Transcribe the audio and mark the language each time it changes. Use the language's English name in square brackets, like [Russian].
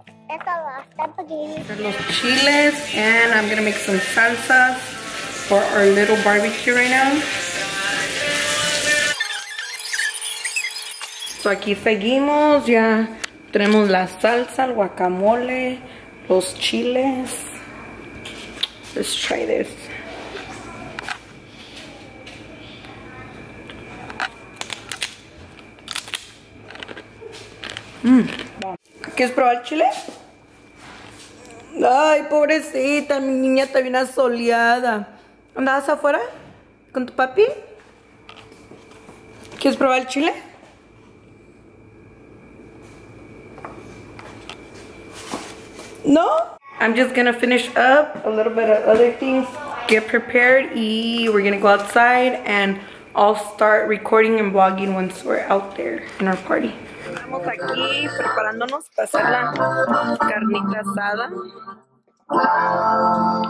[Spanish] Los chiles, [English] and I'm gonna make some salsa for our little barbecue right now. [Spanish] So aquí seguimos, ya tenemos la salsa, el guacamole, los chiles. [English] Let's try this. [Spanish] ¿Quieres probar el chile? Ay, pobrecita, mi niña está bien asoleada. ¿Andabas afuera con tu papi? ¿Quieres probar el chile? ¿No? [English] I'm just gonna finish up a little bit of other things, get prepared, y we're gonna go outside and I'll start recording and vlogging once we're out there in our party. [Spanish] Estamos aquí preparándonos para hacer la carnita asada.